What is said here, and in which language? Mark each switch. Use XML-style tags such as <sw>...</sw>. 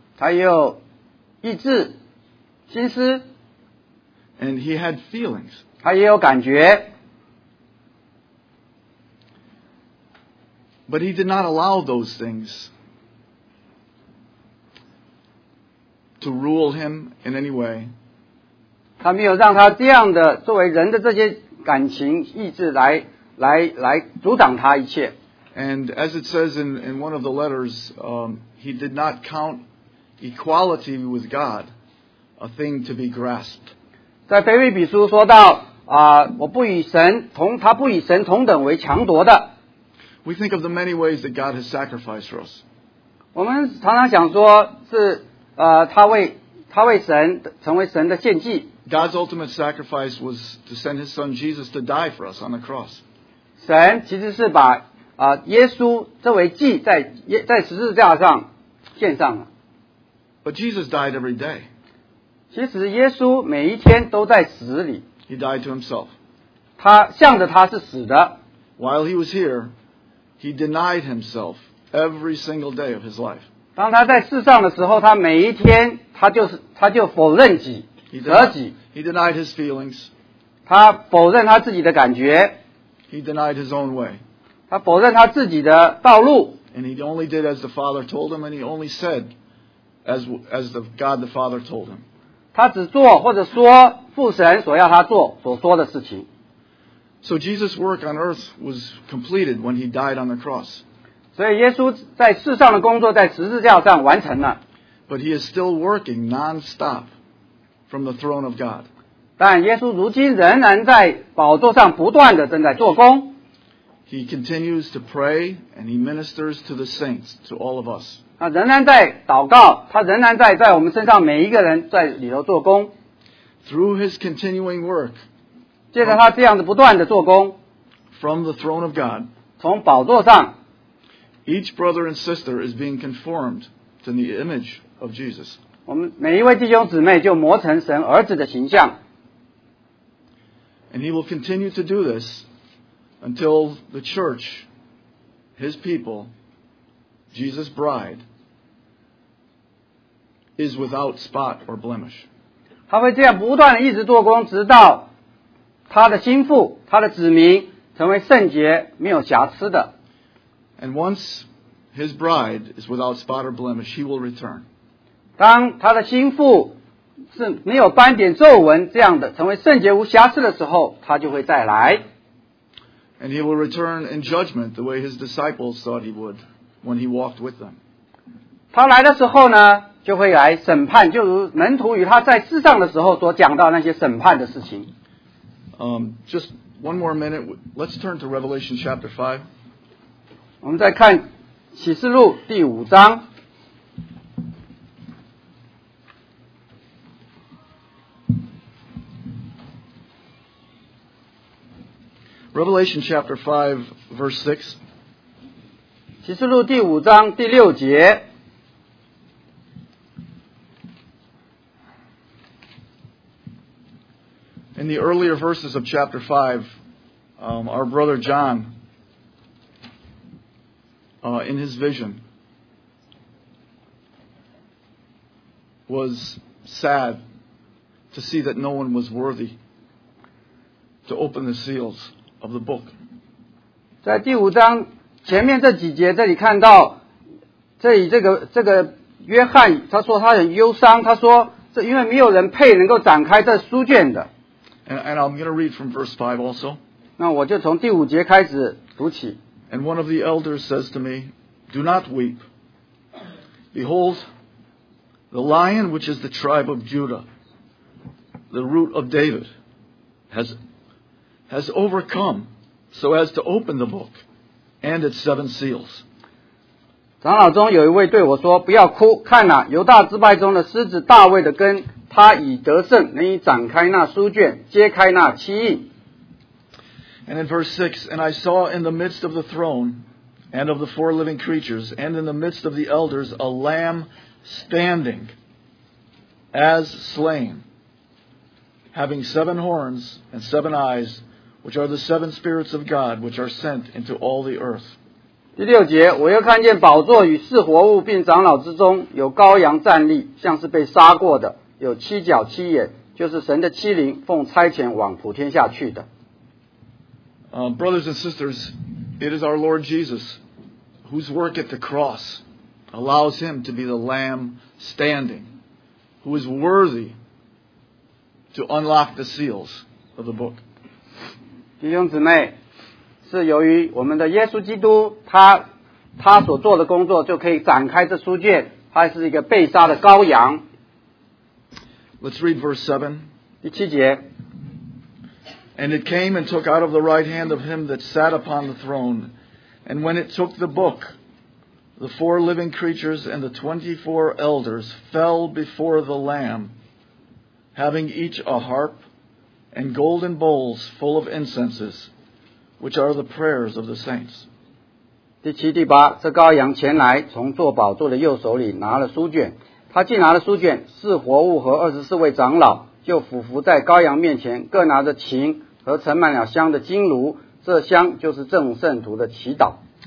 <zh>他有意志。心思,</zh> <en>and he had feelings.</en> <zh>他也有感觉,</zh> <en>but he did not allow those things to rule him in any way.</en> <zh>他没有让他这样的作为人的这些感情意志来主导他一切.</zh> <en>And as it says in one of the letters, he did not count equality with God a thing to be grasped.</en> <zh>在腓立比书说到，我不与神同，他不与神同等为强夺的。</zh> <en>We think of the many ways that God has sacrificed for us.</en> <zh>我们常常想说是他为神成为神的献祭。</zh> <en>God's ultimate sacrifice was to send his son Jesus to die for us on the cross.</en> <zh>神其实是把耶稣作为祭在十字架上献上了。</zh> <en>But Jesus died every day.</en> <zh>其实耶稣每一天都在死里。</zh> <en>He died to himself.</en> <zh>他向着他是死的。</zh> <en>While he was here, he denied himself every single day of his life.</en> <zh>当他在世上的时候，他每一天他就否认己。</zh> <en>He denied his feelings.</en> <zh>他否认他自己的感觉。</zh> <en>He denied his own way.</en> <zh>他否认他自己的道路。</zh> <en>And he only did as the Father told him, and he only said as the God the Father told him.</en> <zh>他只做或者说父神所要他做所说的事情。</zh> <en>So Jesus' work on earth was completed when he died on the cross.</en> <zh>所以耶稣在世上的工作在十字架上完成了。</zh> <en>But he is still working non-stop. From the throne of God.</en> <zh>但耶稣如今仍然在宝座上不断地正在做工。</zh> <en>He continues to pray and he ministers to the saints, to all of us.</en> <zh>他仍然在祷告，他仍然在我们身上每一个人在里头做工。</zh> <en>Through his continuing work,</en> <zh>借着他这样的不断地做工，</zh> <en>from the throne of God,</en> <zh>从宝座上，</zh> <en>each brother and sister is being conformed to the image of Jesus.</en> <zh>我们每一位弟兄姊妹就磨成神儿子的形象。</zh> <en>And he will continue to do this until the church, his people, Jesus' bride, is without spot or blemish.</en> <zh>他会这样不断地一直做工，直到他的心腹，他的子民成为圣洁，没有瑕疵的。</zh> <en>And once his bride is without spot or blemish, he will return.</en> <zh>当他的心腹是没有斑点皱纹这样的成为圣洁无瑕疵的时候他就会再来。</zh> <en>And he will return in judgment the way his disciples thought he would when he walked with them.</en> <zh>他来的时候呢就会来审判就如门徒与他在世上的时候所讲到那些审判的事情。</zh> <en>Just one more minute, let's turn to Revelation chapter 5.</en> <zh>我们再看启示录第五章。</zh> <en>Revelation chapter 5, verse 6.</en> <zh>启示录第五章第六节。</zh> <en>In the earlier verses of chapter 5, our brother John, in his vision, was sad to see that no one was worthy to open the seals. Of the book.</en> <zh>在第五章前面这几节这里看到这里这个约翰他说他很忧伤他说这因为没有人配能够展开这书卷的。</zh> <en>And I'm going to read from verse 5 also.</en> <zh>那我就从第五节开始读起。</zh> <en>And one of the elders says to me, Do not weep. Behold, the lion which is the tribe of Judah, the root of David, has overcome so as to open the book and its seven seals.</en> <zh>长老中有一位对我说不要哭看哪、犹大支派中的狮子大卫的根他已得胜能以展开那书卷揭开那七印。</zh> <en>And in verse 6, And I saw in the midst of the throne and of the four living creatures and in the midst of the elders a lamb standing as slain, having seven horns and seven eyes,which are the seven spirits of God, which are sent into all the earth.</en> <zh>第六节，我又看见宝座与四活物并长老之中有羔羊站立，像是被杀过的，有七角七眼，就是神的七灵，奉差遣往普天下去的。</zh> <en>Brothers and sisters, it is our Lord Jesus, whose work at the cross allows him to be the Lamb standing, who is worthy to unlock the seals of the book.</en> <zh>弟兄姊妹，是由于我们的耶稣基督他所做的工作就可以展开这书卷，他是一个被杀的羔羊。</zh> <en>Let's read verse 7.</en> <zh>第七节。</zh> <en>And it came and took out of the right hand of him that sat upon the throne, and when it took the book, The four living creatures and the 24 elders fell before the Lamb, having each a harp and golden bowls full of incenses, which are the prayers of the saints.</en> <zh>第七、第八, 这羔羊前来,从坐宝座的右手里拿了书卷, 他既拿了书卷, 四活物和24位长老, 就俯伏在羔羊面前, 各拿着琴和盛满了香的金炉, 这香就是众圣徒的祈祷。</zh>